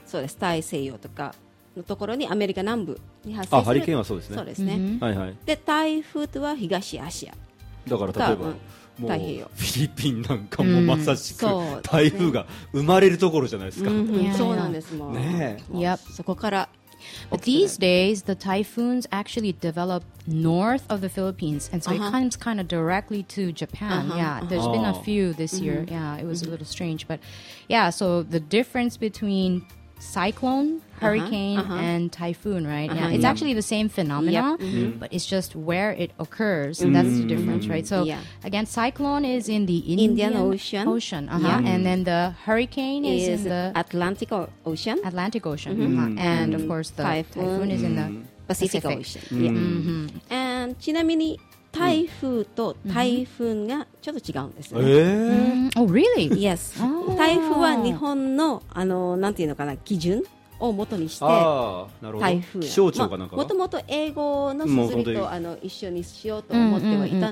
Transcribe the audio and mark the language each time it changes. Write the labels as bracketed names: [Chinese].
[Japanese] そうです、大西洋とかのところにアメリカ南部に発生する。あ、ハリケーンはそうですね。そうですね、はいはい、で台風とは東アジア、だから例えば、太平洋、フィリピンなんかもまさしく、台風が生まれるところじゃないですか。そうなんですもん、ねえ、そこから。 [English] But these days, the typhoons actually develop north of the Philippines, and so it comes kind of directly to Japan. There's been a few this year. It was a little strange, but yeah. So the difference between cyclone, hurricane, and typhoon, right? It's actually the same phenomena, but it's just where it occurs. That's the difference, right? So again, cyclone is in the Indian Ocean, and then the hurricane is in the Atlantic Ocean, and of course the typhoon is in the Pacific Ocean. [Japanese] And ちなみに台風と台風がちょっと違うんですよ、 [English] Oh, really? Yes. [Japanese] 台風は日本の、あの、なんていうのかな、基準を元にして、台風、気象庁かなんか、もともと英語の綴りと、あの、一緒にしようと思ってはいたので、